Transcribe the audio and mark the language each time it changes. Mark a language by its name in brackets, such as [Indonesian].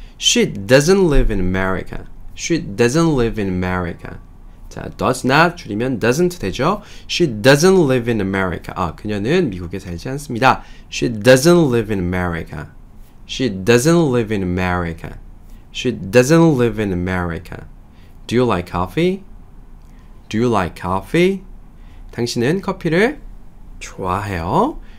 [English] She doesn't live in America. She doesn't live in America. [Korean] 자, does not 줄이면 doesn't 되죠. [English] She doesn't live in America. [Korean] 아, 그녀는 미국에 살지 않습니다. [English] She doesn't live in America. She doesn't live in America. She doesn't live in America. Do you like coffee? Do you like coffee? [Korean] 당신은 커피를 좋아해요.